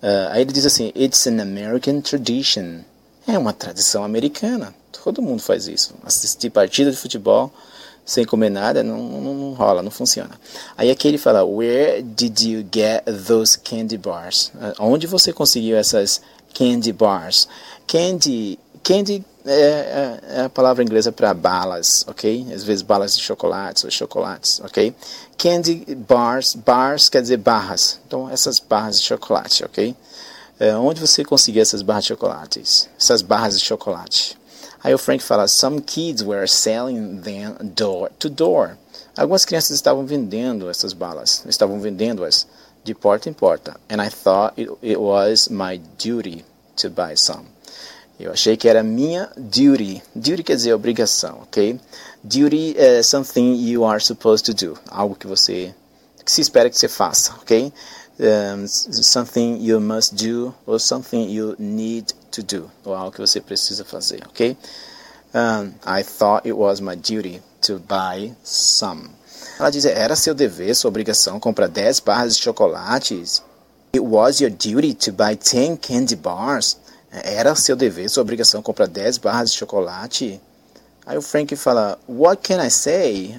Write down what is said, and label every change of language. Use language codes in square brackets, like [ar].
[pt] Aí ele diz assim, [en] it's an American tradition. [pt] É uma tradição americana. Todo mundo faz isso. Assistir partida de futebol sem comer nada não rola, não funciona. Aí aqui ele fala, [en] where did you get those candy bars? [pt] Onde você conseguiu essas candy bars? Candy é a palavra inglesa para balas, ok? Às vezes balas de chocolates ou chocolates, ok? Candy bars quer dizer barras. Então, essas barras de chocolate, ok? Onde você conseguiu essas barras de chocolate? Essas barras de chocolate. Aí o Frank fala, [en] some kids were selling them door to door. [pt] Algumas crianças estavam vendendo essas balas, estavam vendendo-as de porta em porta. [en] And I thought it was my duty to buy some. [pt] Eu achei que era minha duty. Duty quer dizer obrigação, ok? [en] Duty is something you are supposed to do. [pt] Algo que você, que se espera que você faça, ok? [en] Something you must do or something you need to do. [pt] Ou algo que você precisa fazer, ok? [en] I thought it was my duty to buy some. [pt] Ela diz, era seu dever, sua obrigação, comprar 10 barras de chocolates. [en] It was your duty to buy 10 candy bars. [pt] Era seu dever, sua obrigação, comprar 10 barras de chocolate. Aí o Frank fala, [en] what can I say?